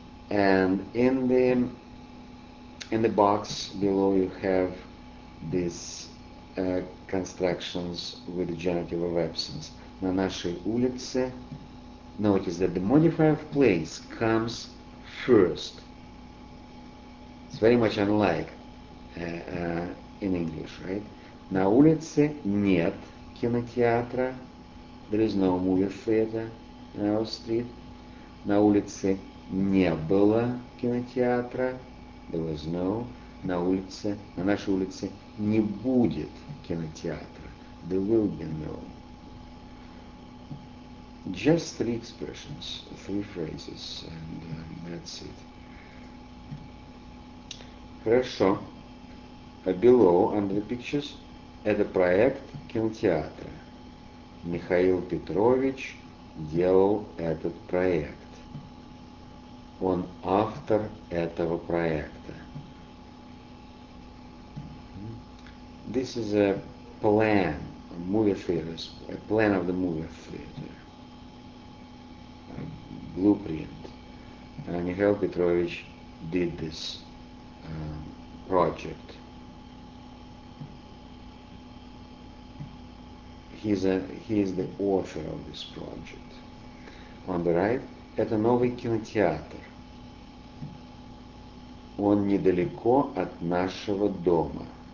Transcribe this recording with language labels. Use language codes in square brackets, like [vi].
[en] And in the box below you have these constructions with the genitive of absence. [ru] На нашей улице. [en] Notice that the modifier of place comes first. It's very much unlike in English, right? [ru] На улице нет кинотеатра. [en] There is no movie theater in our street. [ru] На улице не было кинотеатра. [en] There was no. [ru] На нашей улице не будет кинотеатра. [en] There will be no. Just three expressions, three phrases, and that's it. [ru] Хорошо. [en] Below, under the pictures, [ru] это проект кинотеатра. Михаил Петрович делал этот проект. Он автор этого проекта. [en] This is a plan, movie theater, a plan of the movie theater. Blueprint. Михаил Петрович did this project. project. He is the author of this project. On the right, [ru] это новый кинотеатр. Он недалеко от нашего дома.